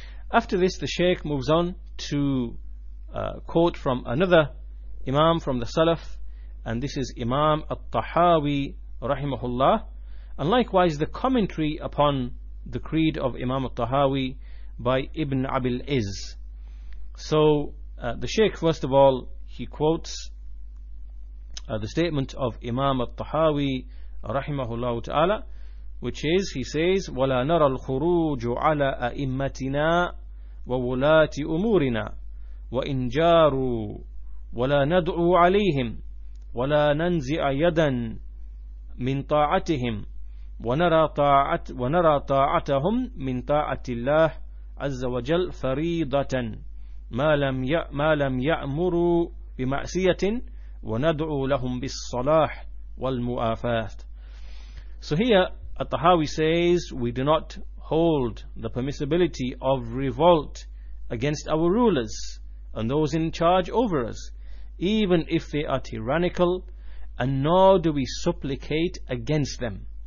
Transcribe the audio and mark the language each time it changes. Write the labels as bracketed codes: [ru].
[en] After this, the Shaykh moves on to quote from another Imam from the Salaf, and this is Imam At-Tahawi rahimahullah, and likewise the commentary upon the creed of Imam At-Tahawi by Ibn Abil Izz. So the Shaykh, first of all, he quotes the statement of Imam At-Tahawi rahimahullah ta'ala, which is, he says, [ar] وَلَا نَرَى الْخُرُوجُ عَلَىٰ أَئِمَّتِنَا وَوُلَاتِ أُمُورِنَا وَإِنْ جَارُوا وَلَا نَدْعُوا عَلَيْهِمْ وَلَا نَنْزِعَ يَدًا مِنْ طَاعَتِهِمْ وَنَرَى طَاعَتَهُمْ مِنْ طَاعَةِ اللَّهِ عَزَّ وَجَلْ فَرِيضَةً مَا لَمْ يَأْمُرُوا بِمَعْسِيَةٍ وَنَدْعُوا لَهُمْ بِالصَّلَاحِ وَالْمُؤَافَاةِ. [en] So here At-Tahawi says, we do not hold the permissibility of revolt against our rulers and those in charge over us, even if they are tyrannical, and nor do we supplicate against them.